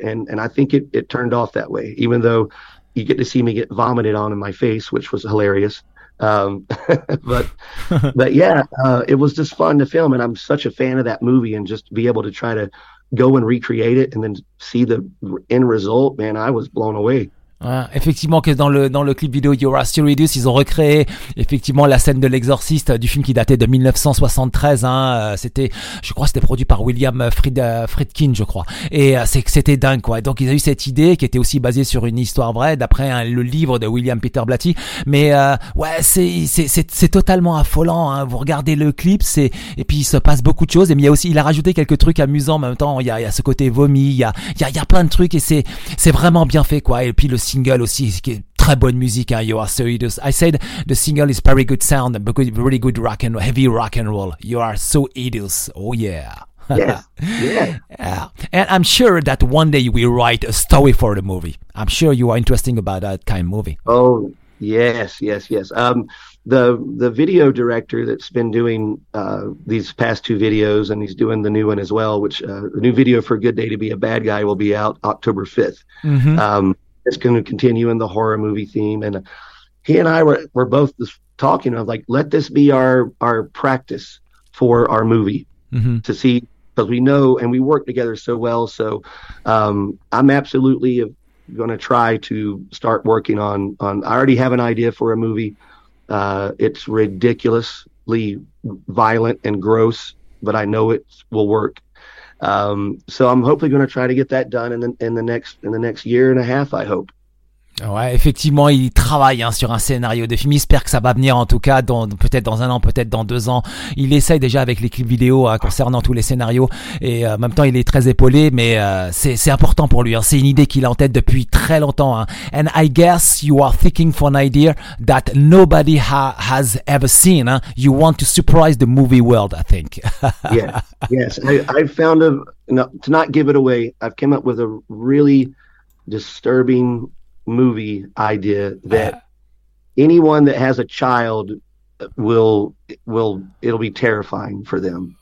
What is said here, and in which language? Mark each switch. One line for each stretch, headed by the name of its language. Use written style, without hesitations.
English: And I think it turned off that way, even though you get to see me get vomited on in my face, which was hilarious. But it was just fun to film. And I'm such a fan of that movie, and just be able to try to go and recreate it and then see the end result, man, I was blown away.
French: Effectivement, que dans le clip vidéo You're a Stewardess, ils ont recréé effectivement la scène de l'exorciste du film qui datait de 1973. Hein, c'était, je crois, c'était produit par William Friedkin, je crois. Et c'était dingue, quoi. Donc ils ont eu cette idée qui était aussi basée sur une histoire vraie, d'après le livre de William Peter Blatty. Mais c'est totalement affolant. Hein. Vous regardez le clip, et puis il se passe beaucoup de choses. Et mais il a rajouté quelques trucs amusants. En même temps, il y a ce côté vomi, il y a plein de trucs, et c'est vraiment bien fait, quoi. Et puis le single aussi, qui est très bonne musique, hein, You Are Stewardess.
English: I said the single is very good sound, because it's really good rock and heavy rock and roll. You Are Stewardess. Oh yeah. Yeah. And I'm sure that one day we write a story for the movie. I'm sure you are interested about that kind of movie. Oh yes. The video director that's been doing these past two videos, and he's doing the new one as well, which the new video for Good Day to Be a Bad Guy will be out October 5th. Mm-hmm. It's going to continue in the horror movie theme. And he and I were both talking of like, let this be our practice for our movie, mm-hmm. to see, because we know, and we work together so well. So I'm absolutely going to try to start working on, I already have an idea for a movie. It's ridiculously violent and gross, but I know it will work. So I'm hopefully going to try to get that done in the next year and a half, I hope.
French: Ouais, effectivement, il travaille hein, sur un scénario de film. Il espère que ça va venir, en tout cas, peut-être dans un an, peut-être dans deux ans. Il essaye déjà avec les clips vidéo hein, concernant tous les scénarios. Et en même temps, il est très épaulé, mais c'est important pour lui. Hein. C'est une idée qu'il a en tête depuis très longtemps. Hein.
English: And I guess you are thinking for an idea that nobody has ever seen. Hein. You want to surprise the movie world, I think. Yes. To not give it away, I've came up with a really disturbing movie idea that anyone that has a child will it'll be terrifying for them.